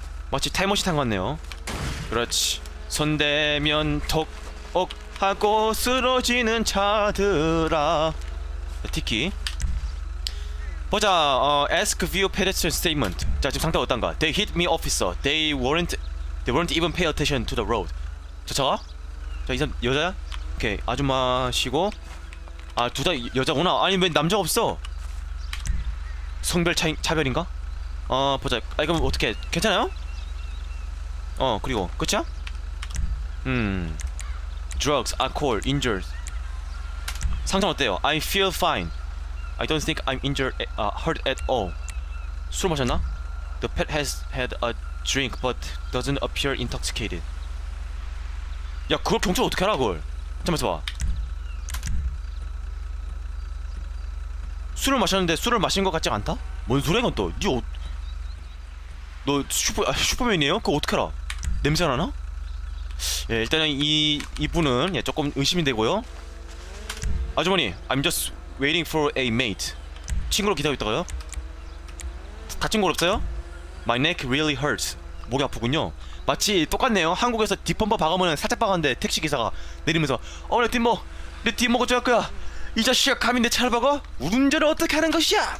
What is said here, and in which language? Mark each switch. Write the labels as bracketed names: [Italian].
[Korean] 마치 타임머신 탄 것 같네요. 그렇지. 손대면 톡톡 하고 쓰러지는 차들아. 티키 보자. [English] Ask view pedestrian statement. [Korean] 자, 지금 상태가 어떤가. [English] They hit me, officer. They weren't even pay attention to the road. [Korean] 저 차가? 자, 이 사람 여자야? 오케이, 아줌마시고. 아, 둘 다 여자구나. 아니, 왜 남자가 없어? 성별 차별인가? 보자. 아, 이거 어떻게 괜찮아요? 그리고 끝이야? [English] Drugs, alcohol, injuries. [Korean] 상장 어때요? [English] I feel fine. I don't think I'm injured, hurt at all. [Korean] 술 마셨나? [English] The pet has had a drink but doesn't appear intoxicated. [Korean] 야, 그걸 경찰 어떻게 알아 그걸? 잠깐만 봐. 술을 마셨는데 술을 마신 것 같지 않다? 뭔 소리야 이건 또? 너 슈퍼맨이에요? 그거 어떻게 알아? 냄새 나나? 예, 일단은 이분은 예, 조금 의심이 되고요. [English] 아주머니, I'm just waiting for a mate. [Korean] 친구를 기다리고 있다가요? 다친 거 없어요? [English] My neck really hurts. [Korean] 목이 아프군요. 마치 똑같네요. 한국에서 뒷범퍼 박으면 살짝 박았는데 택시기사가 내리면서 내 뒷모! 내 뒷모가 좋아할 거야! 이 자식아, 감히 내 차를 박아? 운전을 어떻게 하는 것이야!